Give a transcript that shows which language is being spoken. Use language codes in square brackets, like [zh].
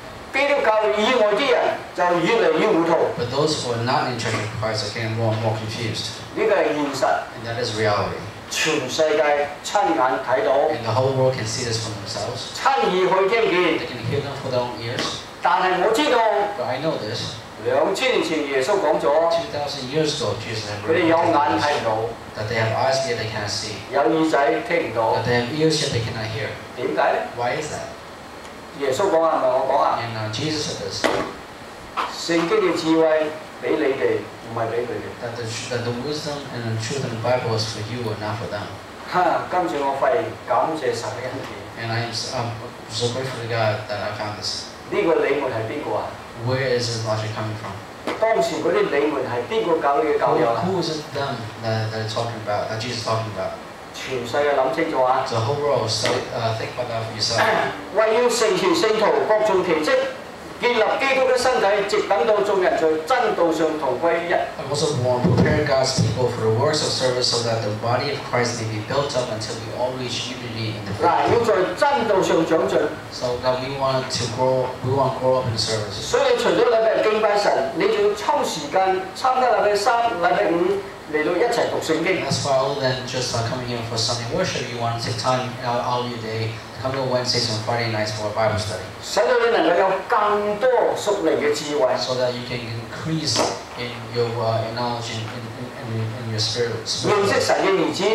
[en] But those who are not in Church of Christ are getting more and more confused. And that is reality. And the whole world can see this for themselves. They can hear them for their own ears. But I know this. [yue] 2000年前耶穌講咗，佢哋有眼睇唔到， [en] that they have eyes yet they cannot see， [yue] 有耳仔聽唔到， [en] that they have ears yet they cannot hear。 [yue] 點解咧？ [en] Why is that？ [yue] 耶穌講啊，唔係我講啊。 [en] And Jesus said this。 [yue] 聖經嘅智慧俾你哋，唔係俾佢哋。 [en] That the wisdom and the truth in the Bible is for you and not for them。 [yue] 哈！今次我發現感謝神嘅恩典。 [en] And I'm so grateful to God that I found this。 [yue] 呢個領門係邊個啊？ [en] Where is this logic coming from? [yue] 當時嗰啲理門係邊個教你嘅教友啊 [en] ？Who is it them that talking about? That Jesus talking about? [yue] 全世界諗清楚啊 [en] ！The whole world, think about that for yourself. [yue] 為要成全聖徒，各盡其職，建立基督嘅身體，直等到眾人在真道上同歸一。 [en] I'm also born, prepare God's people for the works of service, so that the body of Christ may be built up until we all reach unity in the faith. [yue] 要在真道上長進。 [en] So that we want to grow, we want to grow up in service. [yue] 所以除咗禮拜敬拜神，你仲要抽時間參加禮拜三、禮拜五嚟到一齊讀聖經。 [en] As for all, then just coming here for Sunday worship, you want to take time out of your day. Come to Wednesdays and Friday nights for a Bible study. So that you can increase in your knowledge in your spirit.